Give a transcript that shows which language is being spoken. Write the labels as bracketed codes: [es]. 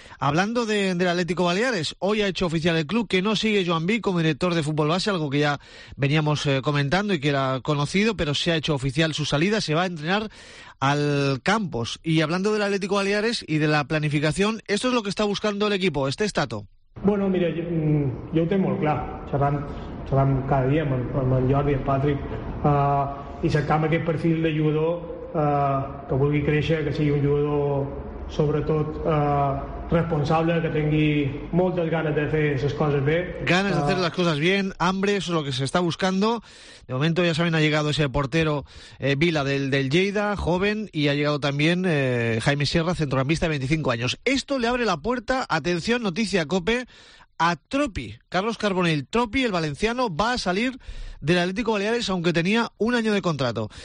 [es] Hablando del Atlético Baleares, hoy ha hecho oficial el club que no sigue Joan Vic como director de fútbol base, algo que ya veníamos comentando y que era conocido, pero se ha hecho oficial su salida, se va a entrenar al Campos. Y hablando del Atlético Baleares y de la planificación, esto es lo que está buscando el equipo, este estato. [ca] Bueno, mira, yo ho tinc molt clar, xerrant cada dia amb en Jordi, en Patrick, i cercant aquest perfil de jugador que vulgui créixer, que sigui un jugador sobretot responsable, que tingui moltes ganes de fer les coses bé. [es] Ganes de hacer las cosas bien, hambre, eso es lo que se está buscando. De momento, ya saben, ha llegado ese portero Vila del Lleida, joven, y ha llegado también Jaime Sierra, centrocampista de 25 años. Esto le abre la puerta, atención, noticia COPE, a Tropi. Carlos Carbonell, Tropi, el valenciano, va a salir del Atlético Baleares, aunque tenía un año de contrato.